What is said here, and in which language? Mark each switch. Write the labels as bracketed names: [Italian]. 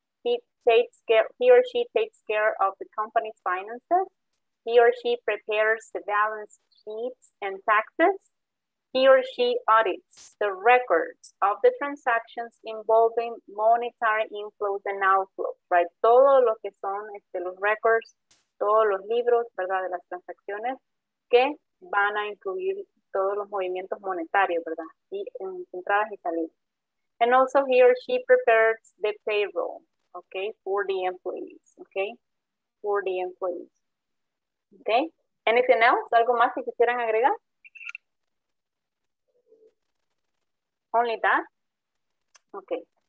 [English] He or she takes care of the company's finances. He or she prepares the balance sheets and taxes. He or she audits the records of the transactions involving monetary inflows and outflows. Right? [Spanish] Todo lo que son los records, todos los libros, ¿verdad? De las transacciones que van a incluir todos los movimientos monetarios, ¿verdad? Y entradas y salidas. [English] And also he or she prepares the payroll, okay, for the employees, okay? For the employees, okay? Anything else? [Spanish] ¿Algo más que quisieran agregar? [English] Only that? Okay.